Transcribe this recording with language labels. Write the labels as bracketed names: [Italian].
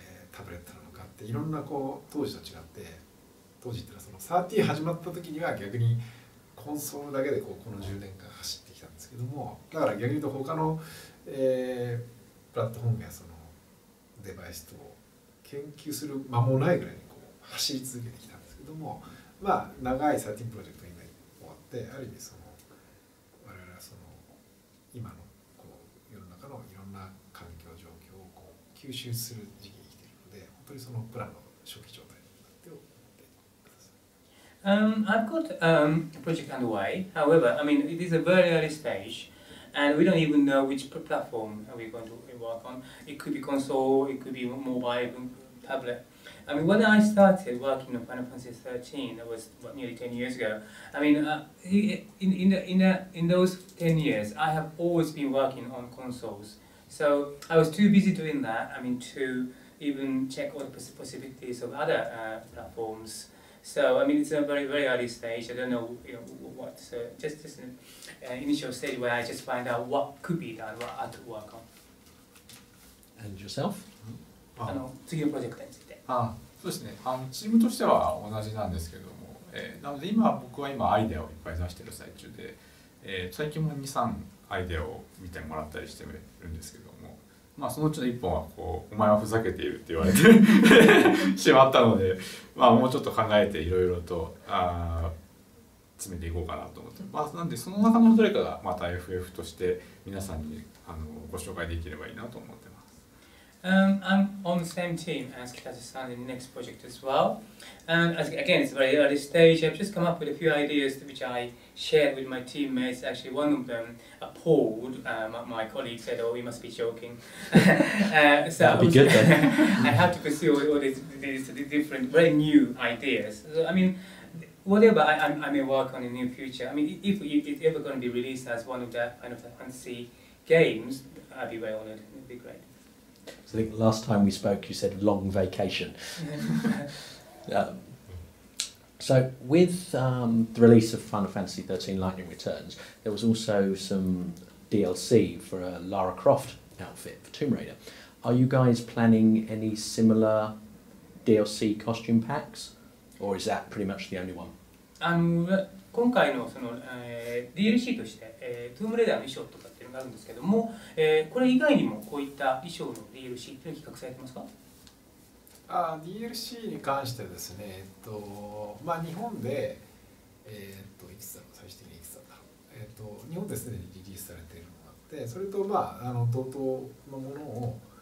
[Japanese] タブレットなのかっていろんなこう当時と違って、当時っていうのは13始まった時には逆にコンソールだけでこの10年間走ってきたんですけども、だから逆に言うと他の、プラットフォームやそのデバイスと研究する間もないぐらいにこう走り続けてきたんですけども、まあ長い13プロジェクトが今終わって、ある意味その我々はその今のこう世の中のいろんな環境上吸収する時期に来ているので、本当にそのプランの初期状態になっておいてください。 [English] I've got a project underway. However, I mean, it is a very early stage, and we don't even know which platform we're going to work on. It could be console, it could be mobile, tablet. I mean, when I started working on Final Fantasy XIII, that was what, nearly 10 years ago. I mean, in those 10 years, I have always been working on consoles. So I was too busy doing that, I mean, to even check all the possibilities of other platforms. So, I mean, it's a very, very early stage. I don't know, you know, what, so just an initial stage where I just find out what could be done, what I could work on. And yourself? Mm-hmm. [Japanese] 次のプロジェクトについて。あ、そうですね。チームとしては同じなんですけども、なので今、僕は今アイデアをいっぱい出している最中で、最近も2、3アイデアを見てもらったりしてるんですけども、まあ、そのうちの一本はこう、お前はふざけているって言われてしまったので、まあ、もうちょっと考えていろいろと詰めていこうかなと思って、まあ、なんでその中のどれかがまた FF として皆さんにご紹介できればいいなと思ってます。 [English] I'm on the same team as Kitase-san in the next project as well. And again, it's a very early stage. I've just come up with a few ideas which I shared with my teammates. Actually, one of them appalled my colleague, said, oh, we must be joking. So that'd be good then. I have to pursue all these different, very new ideas. So, I mean, whatever I may work on in the near future, I mean, if it's ever going to be released as one of the Final Fantasy games, I'd be very honored. It'd be great. So I think the last time we spoke, you said long vacation. So with the release of Final Fantasy XIII Lightning Returns, there was also some DLC for a Lara Croft outfit for Tomb Raider. Are you guys planning any similar DLC costume packs? Or is that pretty much the only one? [Japanese] 今回 の, その、DLC として、トゥームレーダーの衣装とかっていうのがあるんですけども、これ以外にもこういった衣装の DLC っていうのは企画されてますか？あ、 DLC に関してですね、まあ、日本で、いくつだろう、最終的にいくつだろう、日本ですでにリリースされているのがあって、それと、まあ、同等のものを、